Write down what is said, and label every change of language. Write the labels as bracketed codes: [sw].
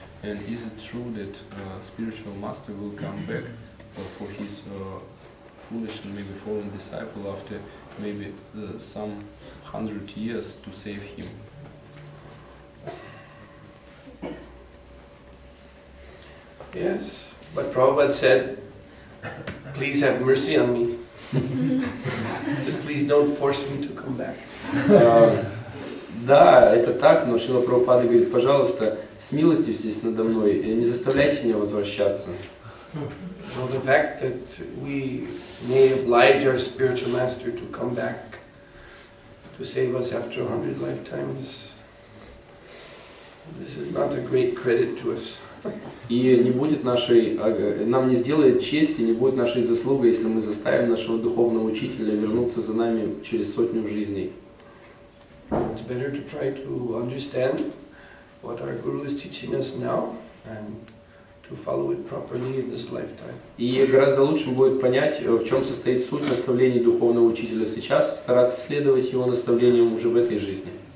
[en] And is it true that spiritual master will come back for his foolish and maybe fallen disciple after maybe some 100 years to save him? Yes, but Prabhupada said, please have mercy on me. He said, please don't force me to come back. [ru] Да, это так, но Шрила Прабхупада говорит, пожалуйста, смилостивьтесь надо мной, не заставляйте меня возвращаться. [en] Well, the fact that we may oblige our spiritual master to come back to save us after 100 lifetimes, this is not a great credit to us. [ru] И не будет нашей, нам не сделает чести, не будет нашей заслуги, если мы заставим нашего духовного учителя вернуться за нами через сотню жизней. [en] It's better to try to understand what our guru is teaching us now and to follow it properly in this lifetime. [ru] И гораздо лучше будет понять, в чем состоит суть наставлений духовного учителя сейчас, стараться следовать его наставлениям уже в этой жизни.